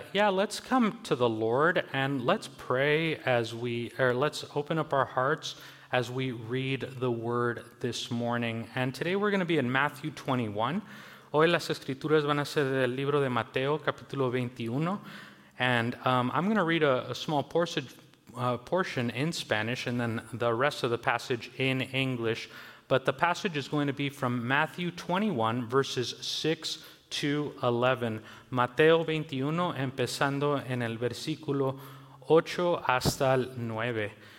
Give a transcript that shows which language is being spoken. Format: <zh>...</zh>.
<en>Let's come to the Lord and let's pray let's open up our hearts as we read the word this morning. And today we're going to be in Matthew 21.</en> <es>Hoy las escrituras van a ser del libro de Mateo, capítulo 21.</es> <en>And I'm going to read a small portion in Spanish and then the rest of the passage in English. But the passage is going to be from Matthew 21, verses 6 to 11.</en> <es>Mateo 21, empezando en el versículo 8 hasta el 9.</es>